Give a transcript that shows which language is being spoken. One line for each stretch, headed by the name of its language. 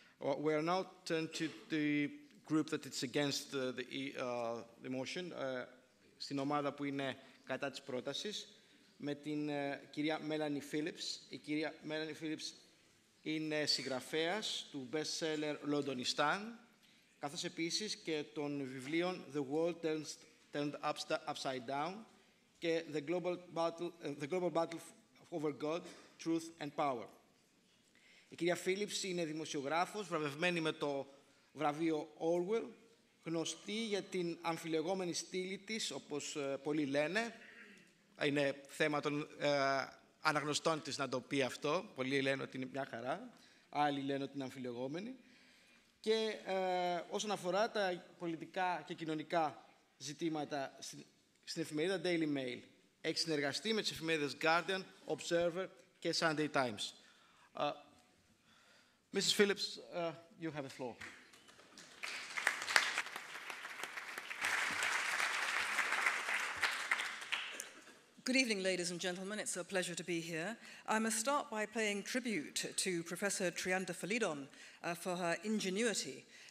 English: Well, we are now turned to the group that is against the motion.
Greek: Στην ομάδα που είναι κατά της πρότασης, με την κυρία Melanie Phillips. Η κυρία Melanie Phillips είναι συγγραφέας του bestseller London is Done, καθώς επίσης και των βιβλίων The World Turned Upside Down και The Global Battle Over God, Truth and Power. Η κυρία Phillips είναι δημοσιογράφος, βραβευμένη με το βραβείο Orwell, γνωστή για την αμφιλεγόμενη στήλη της, όπως πολλοί λένε. Είναι θέμα των αναγνωστών της να το πει αυτό. Πολλοί λένε ότι είναι μια χαρά, άλλοι λένε ότι είναι αμφιλεγόμενη. Και όσον αφορά τα πολιτικά και κοινωνικά ζητήματα στην εφημερίδα Daily Mail, έχει συνεργαστεί με τις εφημερίδες Guardian, Observer και Sunday Times.
English: Mrs. Phillips, you have the floor. Good evening, ladies and gentlemen. It's a pleasure to be here. I must start by paying tribute to Professor Triantha Philidon for her ingenuity.